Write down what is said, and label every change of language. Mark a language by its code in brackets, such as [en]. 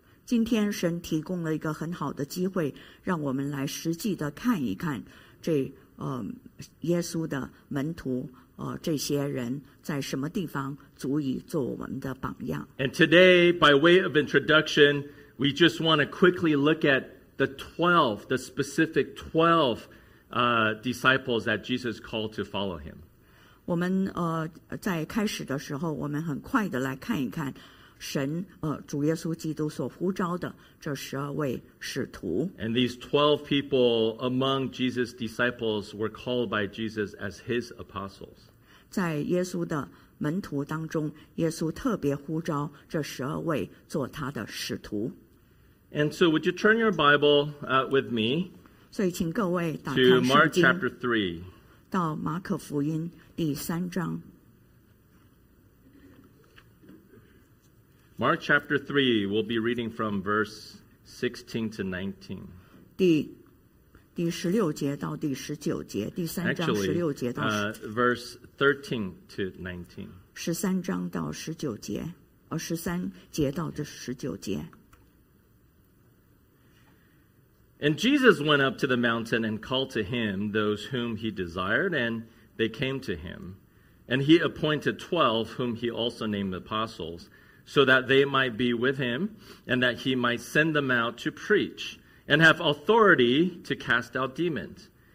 [zh] 今天神提供了一个很好的机会，让我们来实际的看一看这耶稣的门徒。这些人在什么地方足以做我们的榜样 [en] And today, by way of introduction, we just want to quickly look at the specific 12 disciples that Jesus called to follow him. [zh] 我们在开始的时候，我们很快的来看一看神主耶稣基督所呼召的这十二位使徒。 [en] And these 12 people among Jesus' disciples were called by Jesus as his apostles. [zh] 在耶稣的门徒当中，耶稣特别呼召这十二位做他的使徒。 [en] And so, would you turn your Bible with me? [zh] 所以，请各位打开圣经。 [en] To Mark chapter 3. [zh] 到马可福音第三章。 [en] Mark chapter 3, we'll be reading from verse 16 to 19. [zh] 第十六节到第十九节，第三章十六节到 [en] verse 13 to 19， [zh] 十三章到十九节，十三节到这十九节。 [en] And Jesus went up to the mountain and called to him those whom he desired, and they came to him. And he appointed 12, whom he also named apostles, so that they might be with him, and that he might send them out to preach and have authority to cast out demons.